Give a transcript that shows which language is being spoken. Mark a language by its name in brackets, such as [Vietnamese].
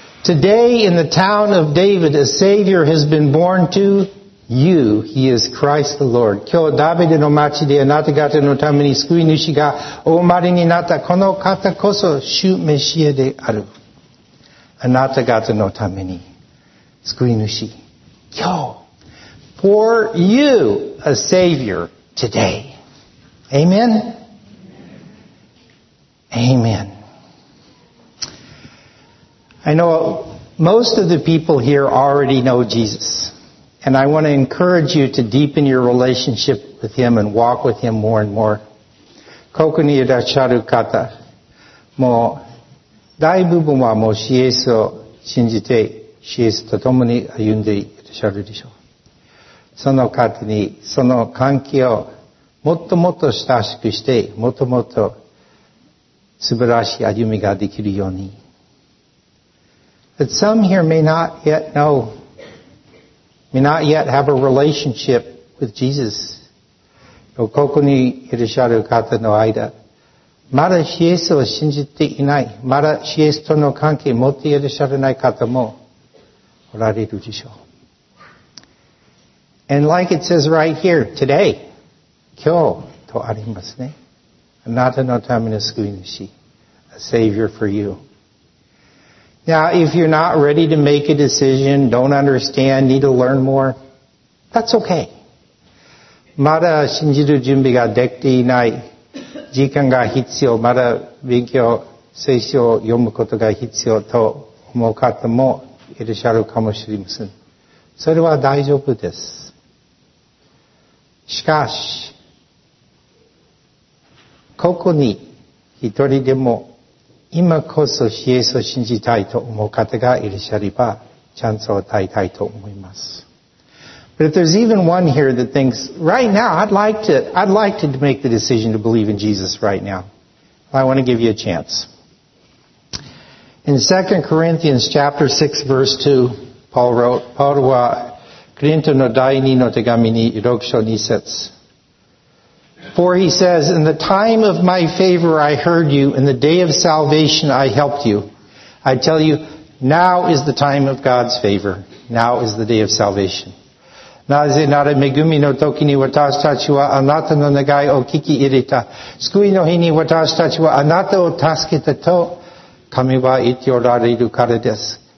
[English] Today in the town of David, a Savior has been born to you. He is Christ the Lord. [Japanese] 今日ダビデの町であなた方のために救い主がお生まれになったこの方こそ主メシアである。あなた方のために救い主今日 [English] For you a savior today Amen Amen I know most of the people here already know Jesus and I want to encourage you to deepen your relationship with him and walk with him more and more [Japanese] ここにいらっしゃる方もう大部分はもうシエスを信じて、シエスと共に歩んでいらっしゃるでしょう。その方に、その関係をもっともっと親しくして、もっともっと素晴らしい歩みができるように。 [English] But some here may not yet know, may not yet have a relationship with Jesus. [Japanese] ここにいらっしゃる方の間、まだイエスを信じていない、まだイエスとの関係を持っていらっしゃらない方もおられるでしょう。 [English] And like it says right here, today, [Japanese] 今日とありますね。あなたのための救い主、 [English] a savior for you. Now, if you're not ready to make a decision, don't understand, need to learn more, that's okay. [Japanese] まだ信じる準備ができていない、時間が必要、まだ勉強、聖書を読むことが必要と思う方もいらっしゃるかもしれません。それは大丈夫です。しかし、ここに一人でも今こそイエスを信じたいと思う方がいらっしゃれば、チャンスを与えたいと思います。 [English] But if there's even one here that thinks, right now, I'd like to make the decision to believe in Jesus right now. I want to give you a chance. In 2 Corinthians chapter 6 verse 2, Paul wrote, [Japanese] Corinto の第二の手紙に6章2節。 [English] For he says, In the time of my favor I heard you, in the day of salvation I helped you. I tell you, now is the time of God's favor. Now is the day of salvation. [Japanese] なぜなら恵みの時に私たちはあなたの願いを聞き入れた。救いの日に私たちはあなたを助けたと神は言っておられるからです。